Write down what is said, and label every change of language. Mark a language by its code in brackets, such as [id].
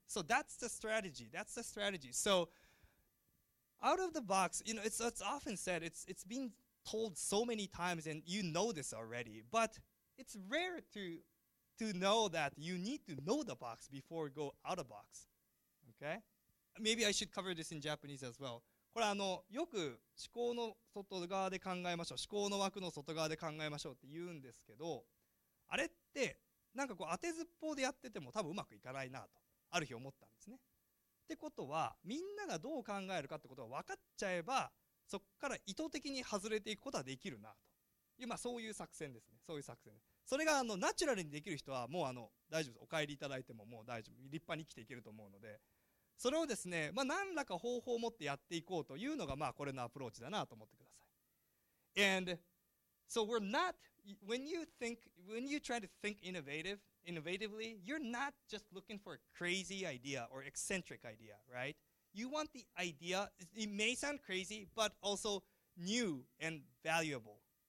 [en] So that's the strategy. So out of the box, you know, it's often said, it's been told so many times and you know this already, but it's rare to know that you need to know the box before you go out of box. Okay? Maybe I should cover this in Japanese as well. [ja] これよく思考の外側で考えましょう。思考の枠の外側で考えましょうって言うんですけど、あれってなんかこう当てずっぽうでやってても多分うまくいかないなとある日思ったんですね。ってことはみんながどう考えるかってことが分かっちゃえば、そこから意図的に外れていくことはできるなという、まあ、そういう作戦ですね。そういう作戦。それがナチュラルにできる人はもう大丈夫です。お帰りいただいてももう大丈夫。立派に生きていけると思うので。それをですね、まあ、何らか方法を持ってやっていこうというのが、まあ、これのアプローチだなと思ってください。 [en] And so we're not, when you try to think innovatively, you're not just looking for a crazy idea or eccentric idea, right? You want the idea, it may sound crazy, but also new and valuable.